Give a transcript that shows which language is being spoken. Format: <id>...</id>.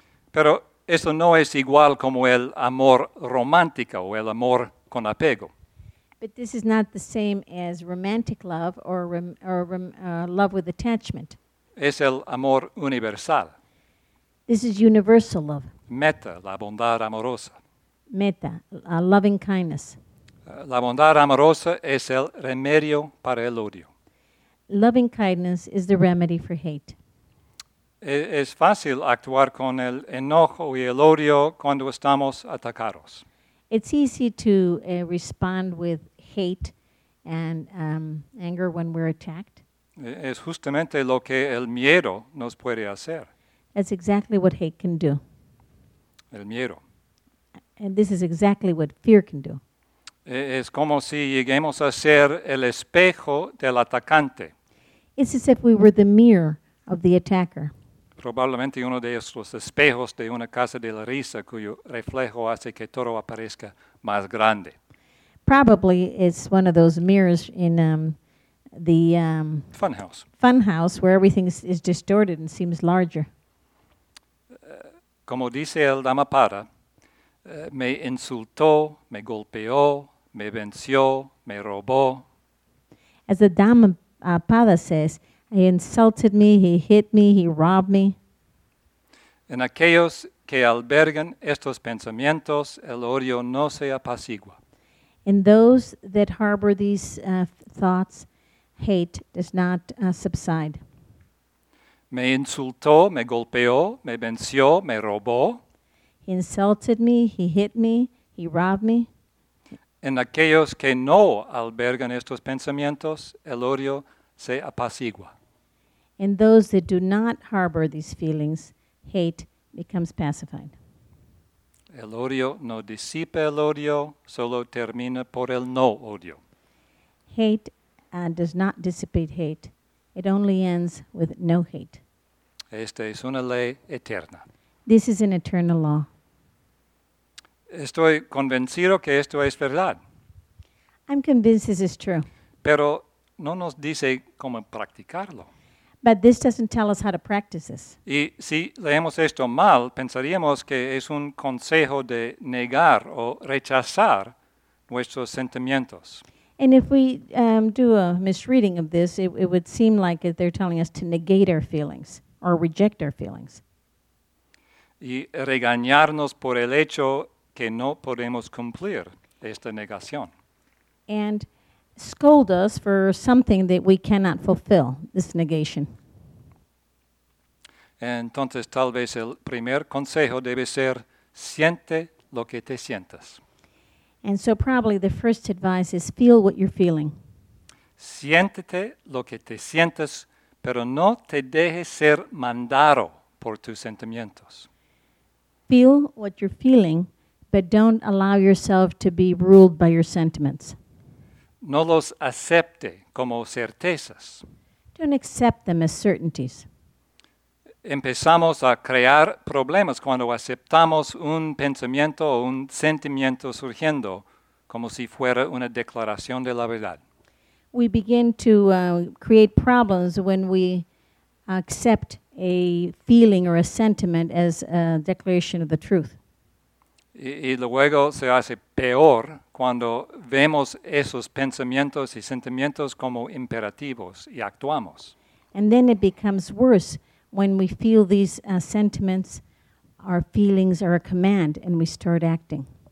<es>Pero eso no es igual como el amor romántico o el amor con apego.</es> <en>But this is not the same as romantic love or love with attachment.</en> <es>Es el amor universal.</es> <en>This is universal love.</en> <es>Metta, la bondad amorosa.</es> <en>Metta, loving kindness.</en> <es>La bondad amorosa es el remedio para el odio.</es> <en>Loving kindness is the remedy for hate.</en> <es>Es fácil actuar con el enojo y el odio cuando estamos atacados.</es> <en>It's easy to respond with hate and anger when we're attacked.</en> <es>Es justamente lo que el miedo nos puede hacer.</es> <en>That's exactly what hate can do.</en> <es>El miedo.</es> <en>And this is exactly what fear can do.</en> <es>Es como si lleguemos a ser el espejo del atacante.</es> <en>It's as if we were the mirror of the attacker.</en> <es>Probablemente uno de estos espejos de una casa de la risa cuyo reflejo hace que todo aparezca más grande.</es> <en>Probably it's one of those mirrors in the funhouse where everything is distorted and seems larger.</en> <es>Como dice el Dhammapada, me insultó, me golpeó, me venció, me robó.</es> <en>As the Dhammapada says, he insulted me, he hit me, he robbed me.</en> <es>En aquellos que albergan estos pensamientos, el odio no se apacigua.</es> <en>In those that harbor these thoughts, hate does not subside.</en> <es>Me insultó, me golpeó, me venció, me robó.</es> <en>He insulted me, he hit me, he robbed me.</en> <es>En aquellos que no albergan estos pensamientos, el odio se apacigua.</es> <en>In those that do not harbor these feelings, hate becomes pacified.</en> <es>El odio no disipa el odio, solo termina por el no odio.</es> <en>Hate does not dissipate hate. It only ends with no hate.</en> <es>Esta es una ley eterna.</es> <en>This is an eternal law.</en> <es>Estoy convencido que esto es verdad.</es> <en>I'm convinced this is true.</en> <es>Pero no nos dice cómo practicarlo.</es> <en>But this doesn't tell us how to practice this.</en> <es>Y si leemos esto mal, pensaríamos que es un consejo de negar o rechazar nuestros sentimientos.</es> <en>And if we do a misreading of this, it would seem like they're telling us to negate our feelings or reject our feelings.</en> <es>Y regañarnos por el hecho que no podemos cumplir esta negación.</es> <en>And scold us for something that we cannot fulfill, this negation.</en> <es>Entonces, tal vez el primer consejo debe ser, siente lo que te sientas.</es> <en>And so probably the first advice is feel what you're feeling.</en> <es>Siéntete lo que te sientas, pero no te dejes ser mandado por tus sentimientos.</es> <en>Feel what you're feeling, but don't allow yourself to be ruled by your sentiments.</en> <es>No los acepte como certezas.</es> <en>Don't accept them as certainties.</en> <es>Empezamos a crear problemas cuando aceptamos un pensamiento o un sentimiento surgiendo como si fuera una declaración de la verdad.</es> <en>We begin to create problems when we accept a feeling or a sentiment as a declaration of the truth.</en> <es>Y luego se hace peor cuando vemos esos pensamientos y sentimientos como imperativos y actuamos.</es> <en>And then it becomes worse when we feel these sentiments, our feelings are a command, and we start acting.</en>